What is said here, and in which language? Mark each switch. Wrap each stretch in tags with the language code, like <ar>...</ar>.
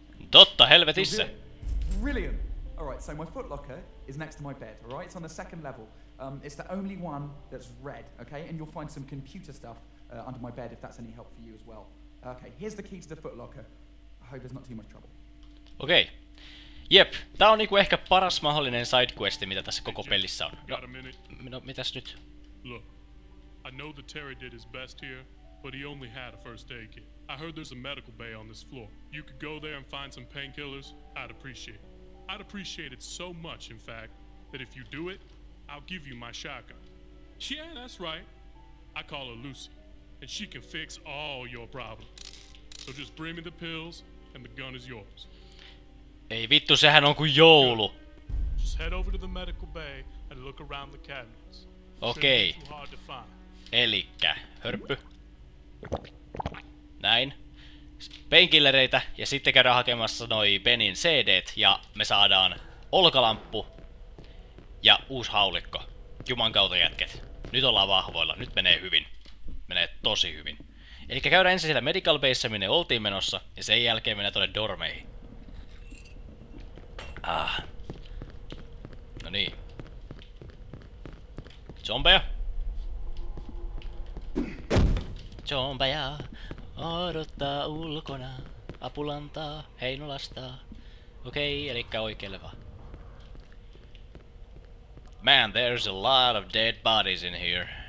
<fi>Totta helvetissä!</fi> <en>Brilliant! All right, so my footlocker is next to my bed, all right? It's on the second level. It's the only one that's red, okay? And you'll find some computer stuff under my bed, if that's any help for you as well. Okay, here's the key to the footlocker. I hope there's not too much trouble. Okay.</en> <fi>Jep, tää on niinku ehkä paras mahdollinen sidequesti, mitä tässä koko pelissä on. No, mitäs nyt?</fi> <en>Look, I know that Terry did his best here, but he only had a first aid kit. I heard there's a medical bay on this floor. You could go there and find some painkillers, I'd appreciate it. I'd appreciate it so much, in fact, that if you do it, I'll give you my shotgun. Yeah, that's right. I call her Lucy, and she can fix all your problems. So just bring me the pills, and the gun is yours.</en> <fi>Ei vittu, sehän on kuin joulu.</fi> <en>Just head over to the medical bay and look around the cabinets.</en> <fi>Okei. Elikkä, hörppy. Näin. Painkillereitä ja sitten käydään hakemassa noi Benin CD:t ja me saadaan olkalamppu ja uusi haulikko. Juman kautta jätket. Nyt ollaan vahvoilla. Nyt menee hyvin. Menee tosi hyvin. Elikkä käydään ensin siellä medical base, minne oltiin menossa ja sen jälkeen mennään tuonne dormeihin. Ah. No niin. Zombeja. Zombeja odottaa ulkona apulantaa Heinolasta. Okei, elikkä oikealle vaan.</fi> <en>Man, there's a lot of dead bodies in here.</en>